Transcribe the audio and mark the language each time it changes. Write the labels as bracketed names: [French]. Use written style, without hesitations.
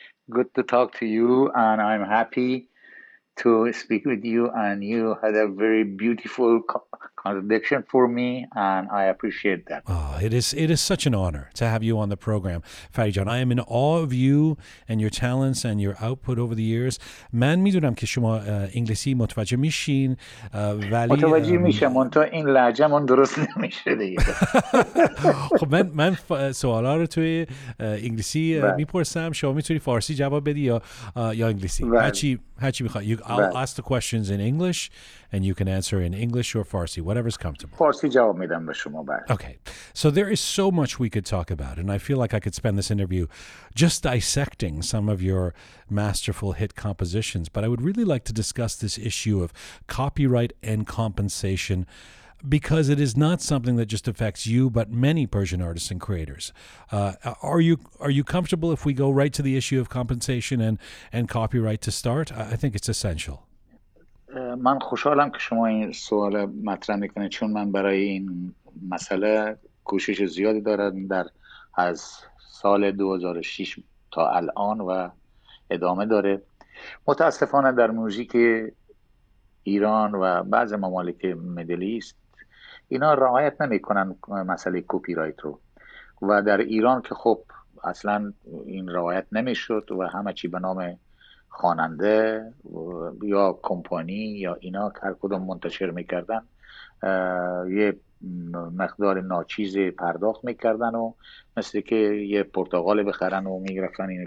[English] Good to talk to you, and I'm happy to speak with you. And you had a very beautiful contradiction for me, and I appreciate that. Oh, it is such an honor to have you on the program, Fadid John. I am in awe of you and your talents and your output over the years. [Persian] Man میدونم که شما انگلیسی متوجه میشین ولی متوجه میشم اون تو این لهجهمون درست نمیشه دیگه. خب من سوالا رو توی انگلیسی میپرسم، شما میتونی فارسی جواب بدی یا انگلیسی، هرچی میخوای. [English] I'll ask the questions in English and you can answer in English or Farsi, whatever's comfortable. [Persian] Farsi جواب میدم به شما. [English] Okay. So there is so much we could talk about, and I feel like I could spend this interview just dissecting some of your masterful hit compositions, but I would really like to discuss this issue of copyright and compensation, because it is not something that just affects you, but many Persian artists and creators. Are you comfortable if we go right to the issue of compensation and copyright to start? I think it's essential. [Persian] من خوشحالم که شما این سوال مطرح میکنید، چون من برای این مسئله کوشش زیادی دارم در از سال 2006 تا الان و ادامه داره. متاسفانه در موزیک ایران و بعض ممالک مدل ایست اینا رعایت نمی کنن مسئله کپی رایت رو، و در ایران که خب اصلا این رعایت نمی شد و همه چی به نام خواننده یا کمپانی یا اینا هر کدوم منتشر میکردن یه مقدار ناچیز پرداخت میکردن و مثل که یه پرتقال بخرن و میگرفتن.